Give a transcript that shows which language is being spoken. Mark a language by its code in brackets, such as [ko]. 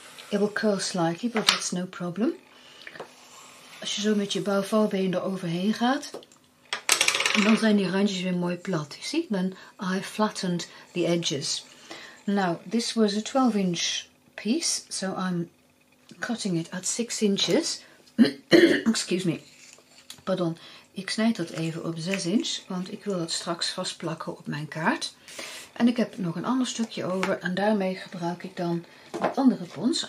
[en] It will curl slightly, but that's no problem. [nl] Als je zo met je bouwvouwbeen er overheen gaat, dan zijn die randjes weer mooi plat. [en] You see, then I flattened the edges. Now, this was a 12-inch piece, so I'm cutting it at 6 inches. Excuse me. Pardon. [nl] Ik snijd dat even op 6 inch, want ik wil dat straks vastplakken op mijn kaart. En ik heb nog een ander stukje over en daarmee gebruik ik dan een andere pons.